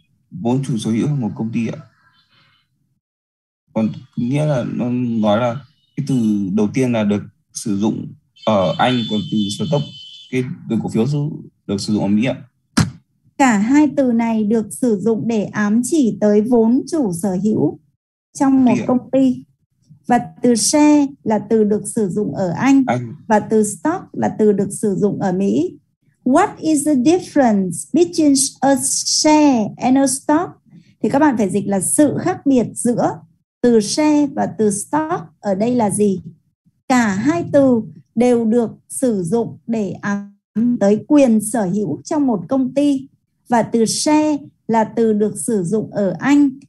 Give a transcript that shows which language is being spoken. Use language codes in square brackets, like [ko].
[vi] vốn chủ sở hữu một công ty ạ. Còn nghĩa là nó nói là cái từ đầu tiên là được sử dụng ở Anh, còn từ stock cái từ cổ phiếu được sử dụng ở Mỹ ạ. Cả hai từ này được sử dụng để ám chỉ tới vốn chủ sở hữu trong một công ty. Và từ share là từ được sử dụng ở Anh. Và từ stock là từ được sử dụng ở Mỹ. [en] What is the difference between a share and a stock? [vi] Thì các bạn phải dịch là sự khác biệt giữa từ share và từ stock ở đây là gì? Cả hai từ đều được sử dụng để ám tới quyền sở hữu trong một công ty. Và từ share là từ được sử dụng ở Anh.